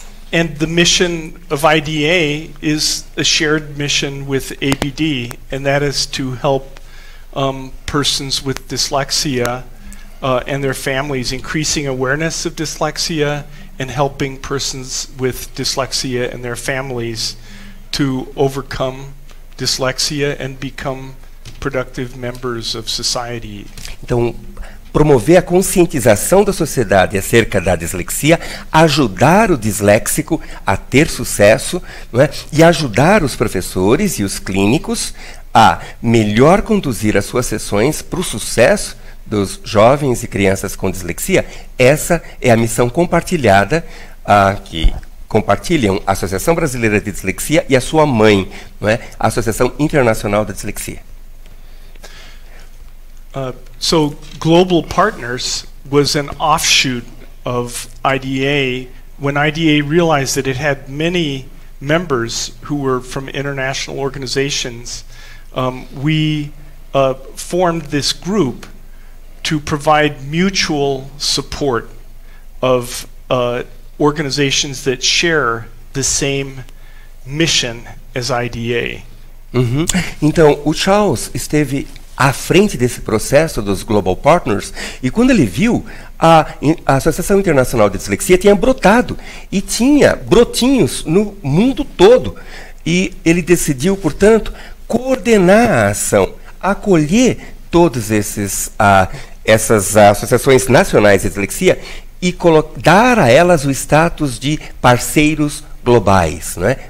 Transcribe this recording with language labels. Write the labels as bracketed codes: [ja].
[en] And the mission of IDA is a shared mission with ABD, and that is to help persons with dyslexia and their families, increasing awareness of dyslexia and helping persons with dyslexia and their families to overcome dyslexia and become productive members of society. [pt] Então, promover a conscientização da sociedade acerca da dislexia, ajudar o disléxico a ter sucesso, não é? E ajudar os professores e os clínicos a melhor conduzir as suas sessões para o sucesso dos jovens e crianças com dislexia. Essa é a missão compartilhada que compartilham a Associação Brasileira de Dislexia e a sua mãe, não é? A Associação Internacional da Dislexia. [en] So, Global Partners was an offshoot of IDA. When IDA realized that it had many members who were from international organizations, formed this group to provide mutual support of organizations that share the same mission as IDA. Uhum. [pt] Então, o Charles esteve à frente desse processo dos Global Partners e quando ele viu, a Associação Internacional de Dislexia tinha brotado e tinha brotinhos no mundo todo. E ele decidiu, portanto, coordenar a ação, acolher todas essas associações nacionais de dislexia e dar a elas o status de parceiros globais, né?